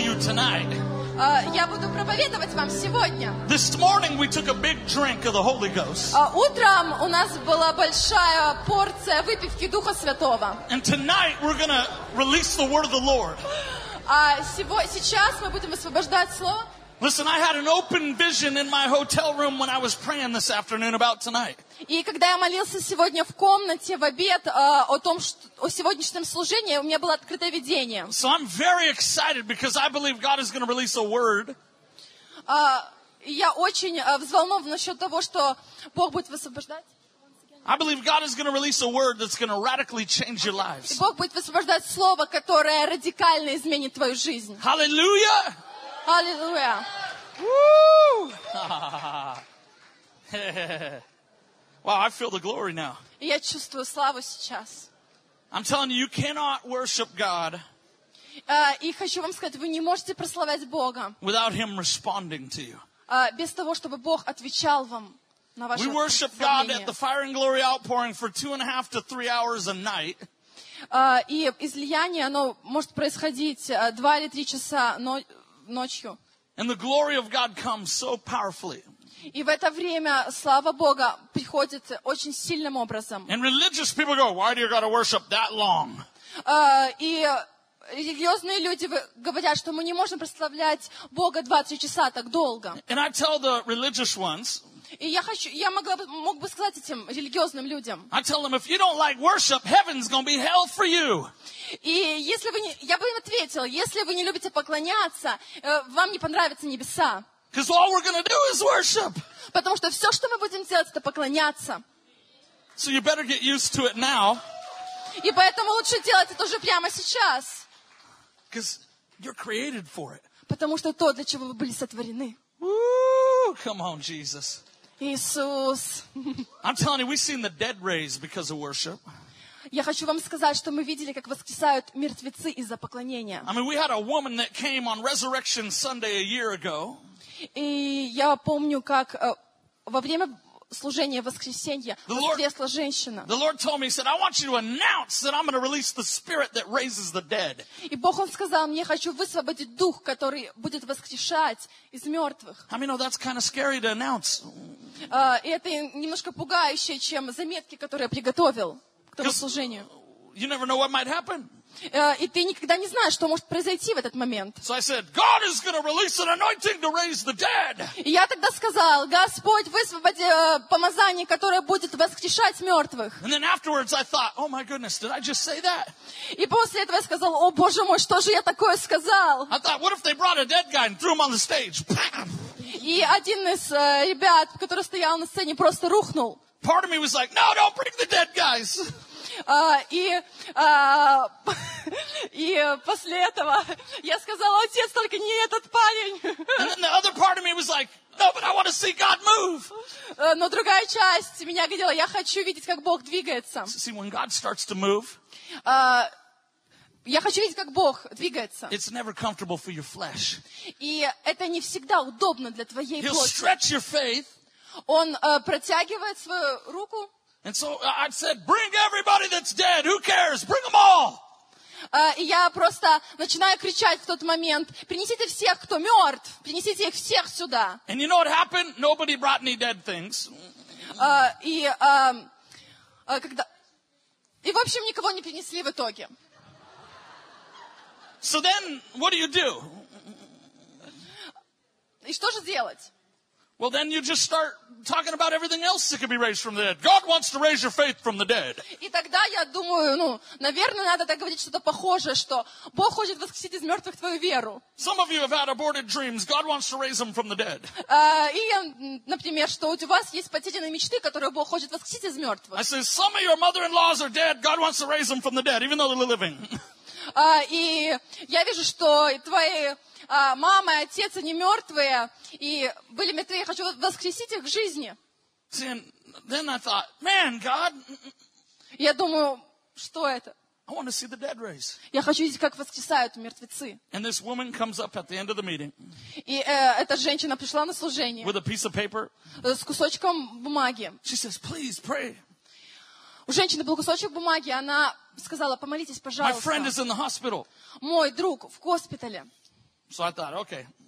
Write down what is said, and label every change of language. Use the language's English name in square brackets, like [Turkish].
[Russian] Я буду проповедовать вам сегодня. [English] This morning we took a big drink of the Holy Ghost. [Russian] Утром у нас была большая порция выпивки Духа Святого. [English] And tonight we're gonna release the word of the Lord. [Russian] Сейчас мы будем освобождать слово. [English] Listen, I had an open vision in my hotel room when I was praying this afternoon about tonight. [Russian] И когда я молился сегодня в комнате в обед о том, что, о сегодняшнем служении, у меня было открытое видение. [English] So I'm very excited because I believe God is going to release a word. [Russian] Я очень взволнован насчет того, что Бог будет высвобождать. [English] I believe God is going to release a word that's going to radically change your lives. [Russian] Бог будет высвобождать слово, которое радикально изменит твою жизнь. [English] Hallelujah! Hallelujah! Woo! Wow, I feel the glory now. [Russian] Я чувствую славу сейчас. [English] I'm telling you, you cannot worship God. [Russian] И хочу вам сказать, вы не можете прославлять Бога. [English] Without Him responding to you. [Russian] Без того, чтобы Бог отвечал вам на ваши. [English] We worship God at the fire and glory outpouring for 2.5 to 3 hours a night. [Russian] И излияние, оно может происходить 2 или 3 часа ночью. [English] And the glory of God comes so powerfully. [Russian] И в это время слава Бога приходит очень сильным образом. [English] And religious people go, why do you gotta worship that long? [Russian] И религиозные люди говорят, что мы не можем прославлять Бога 2-3 часа так долго. [English] And I tell the religious ones. [Russian] И я мог бы сказать этим религиозным людям. [English] I tell them, if you don't like worship, heaven's gonna be hell for you. [Russian] И если вы не, я бы им ответил, если вы не любите поклоняться, вам не понравятся небеса. [English] Because all we're going to do is worship. [Russian] Потому что все, что мы будем делать, это поклоняться. [English] So you better get used to it now. [Russian] И поэтому лучше делать это уже прямо сейчас. [English] Because you're created for it. [Russian] Потому что то, для чего вы были сотворены. [English] Ooh, come on, Jesus. [Russian] Иисус. [English] I'm telling you, we've seen the dead raised because of worship. [Russian] Я хочу вам сказать, что мы видели, как воскресают мертвецы из-за поклонения. [English] I mean, we had a woman that came on Resurrection Sunday a year ago. [Russian] И я помню, как во время служения воскресенья воскресла женщина. [English] The Lord told me, he said, I want you to announce that I'm going to release the spirit that raises the dead. [Russian] И Бог, он сказал мне, хочу высвободить дух, который будет воскрешать из мертвых. [English] I mean, oh, that's kind of scary to announce. [Russian] И это немножко пугающе, чем заметки, которые я приготовил к тому служению. [English] You never know what might happen. [Russian] И ты никогда не знаешь, что может произойти в этот момент. [English] So I said, God is going to release an anointing to raise the dead. [Russian] И я тогда сказал, Господь, высвободи помазание, которое будет воскрешать мертвых. [English] And then afterwards I thought, oh my goodness, did I just say that? [Russian] И после этого я сказал, о боже мой, что же я такое сказал? [English] I thought, what if they brought a dead guy and threw him on the stage? [Russian] И один из ребят, который стоял на сцене, просто рухнул. [English] Part of me was like, no, don't bring the dead guys. [Russian] И после этого я сказала, отец, только не этот парень. [English] And then the other part of me was like, no, but I want to see God move. [Russian] Но другая часть меня говорила, я хочу видеть, как Бог двигается. [English] See, when God starts to move, [Russian] я хочу видеть, как Бог двигается. [English] It's never comfortable for your flesh. [Russian] И это не всегда удобно для твоей плоти. [English] He'll stretch your faith. [Russian] Он протягивает свою руку. [English] And so I said, bring everybody that's dead. Who cares? Bring them all. [Russian] И я просто начинаю кричать в тот момент, принесите всех, кто мертв, принесите их всех сюда. [English] And you know what happened? Nobody brought any dead things. [Russian] И в общем, никого не принесли в итоге. [English] So then, what do you do? [Russian] И что же делать? [English] Well, then you just start talking about everything else that can be raised from the dead. God wants to raise your faith from the dead. [Russian] И тогда я думаю, ну, наверное, надо так говорить что-то похожее, что Бог хочет воскресить из мертвых твою веру. [English] Some of you have had aborted dreams. God wants to raise them from the dead. [Russian] И, например, что у вас есть потерянные мечты, которые Бог хочет воскресить из мертвых. [English] I say, some of your mother-in-laws are dead. God wants to raise them from the dead, even though they're living. [Russian] И я вижу, что твои мама и отец, они мертвые, и были мертвые, я хочу воскресить их к жизни. [English] See, then I thought, man, God, [Russian] я думаю, что это? [English] I want to see the dead raise. [Russian] Я хочу видеть, как воскресают мертвецы. [English] And this woman comes up at the end of the meeting. [Russian] И эта женщина пришла на служение. [English] With a piece of paper. [Russian] С кусочком бумаги. [English] She says, please pray. [Russian] У женщины был кусочек бумаги, она сказала, помолитесь, пожалуйста. [English] My friend is in the hospital. [Russian] Мой друг в госпитале. [English] So I thought, okay.